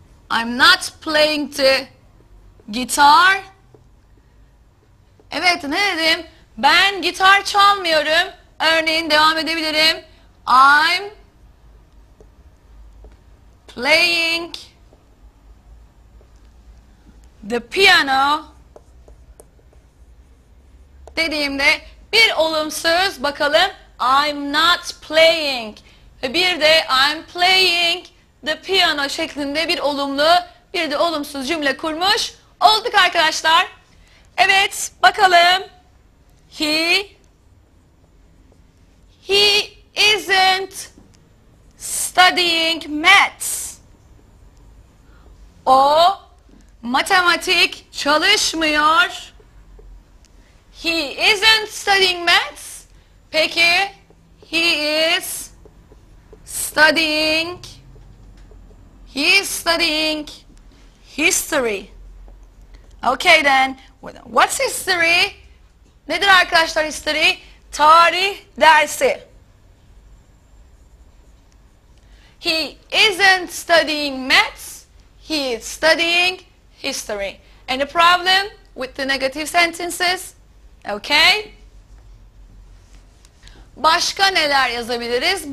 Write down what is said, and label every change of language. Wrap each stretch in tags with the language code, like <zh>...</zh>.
<en>I'm not playing the guitar.</en> <tr>Evet, ne dedim? Ben gitar çalmıyorum. Örneğin devam edebilirim.</tr> <en>I'm playing the piano</en> <tr>dediğimde bir olumsuz, bakalım,</tr> <en>I'm not playing</en> <tr>ve bir de I'm playing the piano şeklinde bir olumlu, bir de olumsuz cümle kurmuş olduk arkadaşlar. Evet, bakalım.</tr> <en>He isn't studying maths. O</en> <tr>Matematik çalışmıyor.</tr> <en>He isn't studying maths. Peki, he is studying. He is studying history. Okay then, what's history?</en> <tr>Nedir arkadaşlar history? Tarih dersi.</tr> <en>He isn't studying maths. He is studying history. Any problem with the negative sentences? Okay.</en> <tr>Başka neler yazabiliriz?</tr>